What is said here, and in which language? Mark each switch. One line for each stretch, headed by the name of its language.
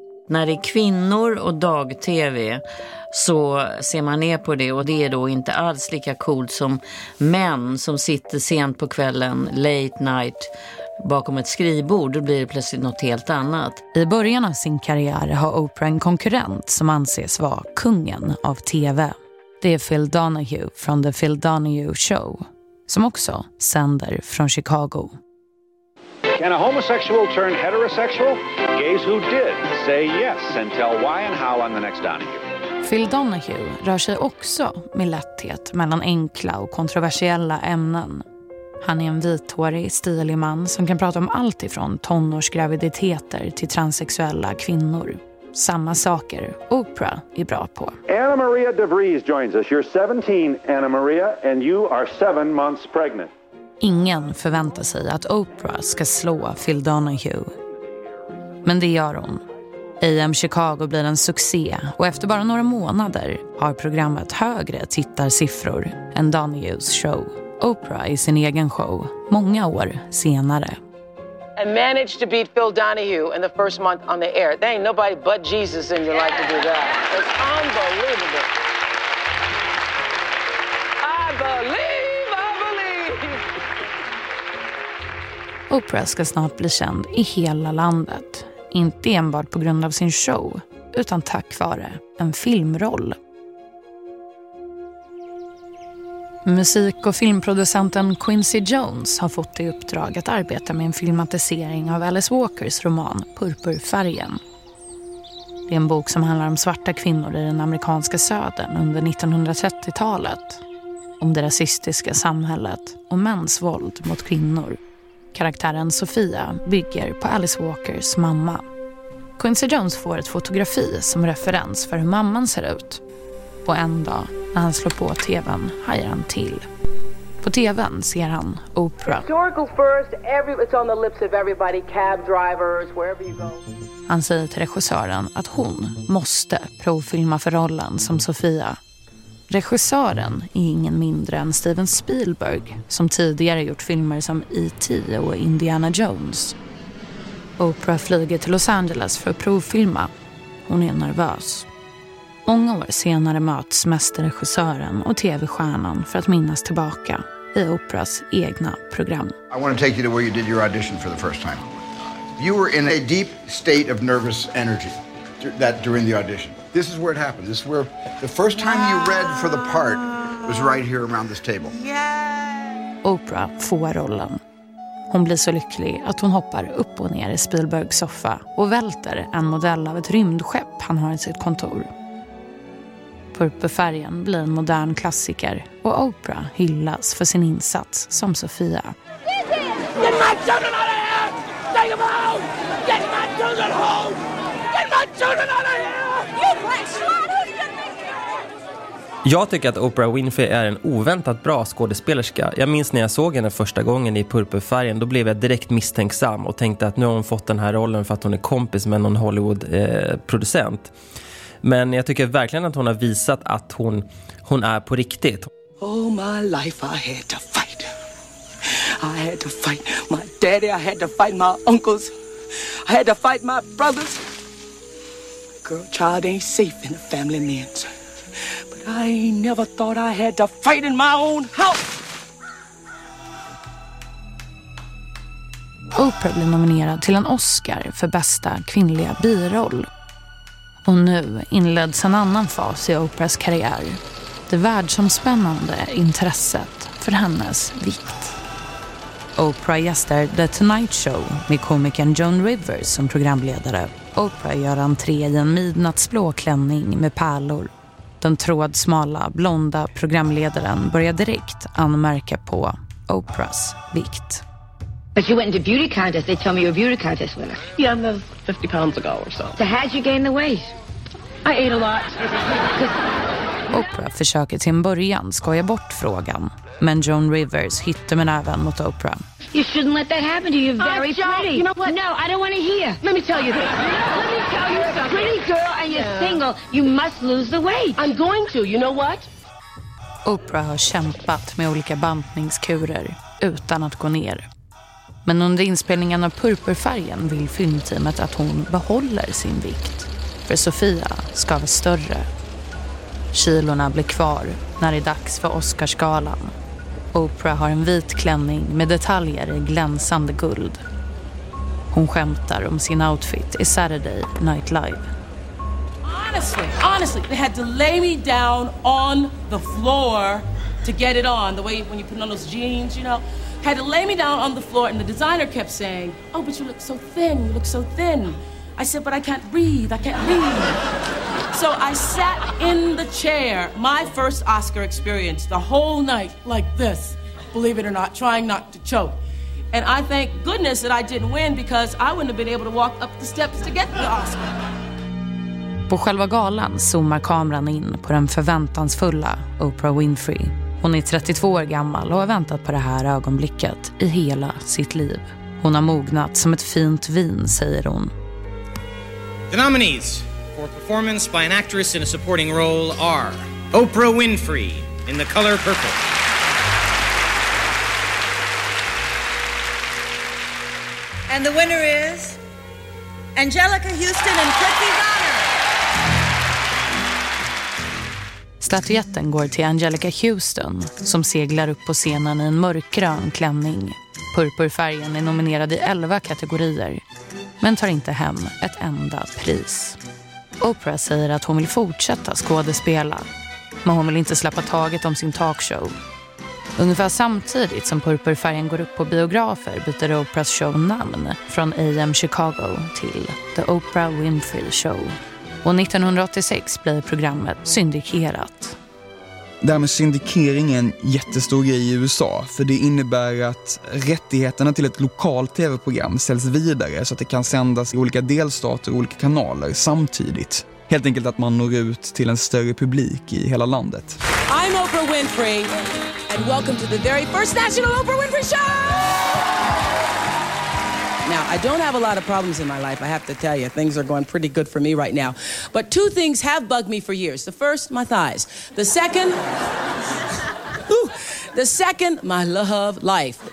Swedish: När det är kvinnor och dag-tv så ser man ner på det, och det är då inte alls lika coolt som män som sitter sent på kvällen, late night, bakom ett skrivbord. Då blir det plötsligt något helt annat. I början av sin karriär har Oprah en konkurrent som anses vara kungen av tv. Det är Phil Donahue från The Phil Donahue Show, som också sänder från Chicago.
English: Can a homosexual turn heterosexual? Gays who did say yes and tell why and how on the next Donahue.
Swedish: Phil Donahue rör sig också med lätthet mellan enkla och kontroversiella ämnen. Han är en vithårig, stilig man som kan prata om allt ifrån tonårsgraviditeter till transsexuella kvinnor. Samma saker Oprah är bra på.
English: Anna Maria DeVries joins us. You're 17, Anna Maria, and you are 7 months pregnant.
Swedish: Ingen förväntar sig att Oprah ska slå Phil Donahue. Men det gör hon. AM Chicago blir en succé, och efter bara några månader har programmet högre tittarsiffror än Donahues show. Oprah i sin egen show många år senare.
English: I managed to beat Phil Donahue in the first month on the air. There ain't nobody but Jesus in your life to do that. It's unbelievable. I believe.
Swedish: Oprah ska snart bli känd i hela landet. Inte enbart på grund av sin show, utan tack vare en filmroll. Musik- och filmproducenten Quincy Jones har fått i uppdrag att arbeta med en filmatisering av Alice Walkers roman Purpurfärgen. Det är en bok som handlar om svarta kvinnor i den amerikanska södern under 1930-talet. Om det rasistiska samhället och mäns våld mot kvinnor. Karaktären Sofia bygger på Alice Walkers mamma. Quincy Jones får ett fotografi som referens för hur mamman ser ut. Och en dag när han slår på tvn hajar han till. På tvn ser han Oprah.
English: Historical first, it's on the lips of everybody, cab drivers, wherever you go.
Swedish: Han säger till regissören att hon måste provfilma för rollen som Sofia. Regissören är ingen mindre än Steven Spielberg, som tidigare gjort filmer som E.T. och Indiana Jones. Oprah flyger till Los Angeles för att provfilma. Hon är nervös. Många år senare möts mästerregissören och tv-stjärnan för att minnas tillbaka i Oprahs egna program.
English: I want to take you to where you did your audition for the first time. You were in a deep state of nervous energy that during the audition. This is where it happened. This is where the first time you read for the part was right here around this table. Yeah.
Swedish: Oprah får rollen. Hon blir så lycklig att hon hoppar upp och ner i Spielbergs soffa och välter en modell av ett rymdskepp han har i sitt kontor. Purpurfärgen blir en modern klassiker och Oprah hyllas för sin insats som Sofia.
English: Get my children out of here! Take them home! Get my children home! Get my children out of here!
Swedish: Jag tycker att Oprah Winfrey är en oväntat bra skådespelerska. Jag minns när jag såg henne första gången i Purpurfärgen, då blev jag direkt misstänksam och tänkte att nu har hon fått den här rollen för att hon är kompis med någon Hollywood-producent. Men jag tycker verkligen att hon har visat att hon är på riktigt.
English: All my life I had to fight. I had to fight my daddy, I had to fight my uncles. I had to fight my brothers. Girl child ain't safe in a family man. I never thought I had to fight in my own house.
Swedish: Oprah blev nominerad till en Oscar för bästa kvinnliga biroll. Och nu inleds en annan fas i Oprahs karriär. Det världsomspännande intresset för hennes vikt. Oprah gästar The Tonight Show med komikern Joan Rivers som programledare. Oprah gör entré i en midnattsblå klänning med pärlor. Den trådsmala, blonda programledaren börjar direkt anmärka på Oprahs vikt.
English: But you went into beauty contest. They tell me you're a beauty contest winner. Yeah, I'm 50 pounds ago or so. So how'd you gain the weight? I ate a lot.
Swedish: Oprah försöker till en början skoja bort frågan. Men Joan Rivers hittar med näven mot Oprah.
English: You shouldn't let that happen to you. You're very pretty. You know what? No, I don't want to hear. Let me tell you this. Pretty girl and you're single. You must lose the weight. I'm going to. You know what?
Swedish: Oprah har kämpat med olika bantningskurer utan att gå ner. Men under inspelningen av Purpurfärgen vill filmteamet att hon behåller sin vikt. För Sofia ska vara större. Kilorna blir kvar när det är dags för Oscarsgalan. Oprah har en vit klänning med detaljer i glänsande guld. Hon skämtar om sin outfit i Saturday Night Live.
English: Honestly, they had to lay me down on the floor to get it on. The way when you put on those jeans, you know. Had to lay me down on the floor and the designer kept saying, oh, but you look so thin, you look so thin. I said, but I can't breathe, I can't breathe. So I sat in the chair, my first Oscar experience, the whole night like this, believe it or not, trying not to choke. And I thank goodness that I didn't win because I wouldn't have been able to walk up the steps to get the Oscar.
Swedish: På själva galan zoomar kameran in på den förväntansfulla Oprah Winfrey. Hon är 32 år gammal och har väntat på det här ögonblicket i hela sitt liv. Hon har mognat som ett fint vin, säger hon.
English: The nominees for performance by an actress in a supporting role are Oprah Winfrey in The Color Purple. And the winner is Angelica Houston and Clifton Bonner.
Swedish: Statuetten går till Angelica Houston som seglar upp på scenen i en mörkgrön klänning. Purpurfärgen är nominerad i 11 kategorier, men tar inte hem ett enda pris. Oprah säger att hon vill fortsätta skådespela, men hon vill inte släppa taget om sin talkshow. Ungefär samtidigt som Purpurfärgen går upp på biografer byter Oprahs show namn från AM Chicago till The Oprah Winfrey Show. Och 1986 blir programmet syndikerat. Det här med syndikering är en jättestor grej i USA, för det innebär att rättigheterna till ett lokalt tv-program säljs vidare så att det kan sändas i olika delstater och olika kanaler samtidigt. Helt enkelt att man når ut till en större publik i hela landet.
English: I'm Oprah Winfrey and welcome to the very first National Oprah Winfrey Show! Now, I don't have a lot of problems in my life, I have to tell you. Things are going pretty good for me right now. But two things have bugged me for years. The first, my thighs. The second, my love life.